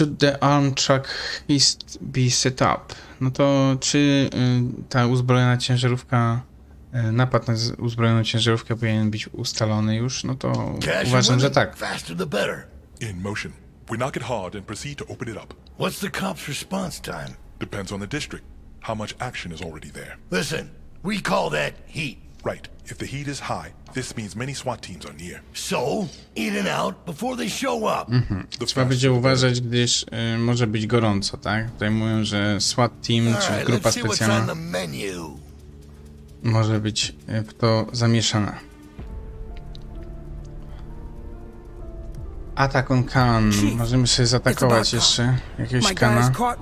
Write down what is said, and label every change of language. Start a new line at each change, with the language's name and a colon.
English: should the arm truck be set up?
Polish: No to czy ta uzbrojona ciężarówka, napad na uzbrojoną ciężarówkę powinien być ustalony już? No to Cash uważam, że tak.
English: Faster the better. In motion. We knock it hard and proceed to open it up. What's the cop's response time? Depends on the district. How much action is already there? Listen, we call that heat. Right. If the heat is high, this means many SWAT teams are near. So, in and out before they show up.
Polish: Trzeba będzie uważać, gdyż może być gorąco, tak? Tutaj mówią, że SWAT team, czy grupa specjalna może być w to zamieszana.
English: Attack on Khan.
Polish: Możemy się zaatakować jeszcze jakiegoś Khana.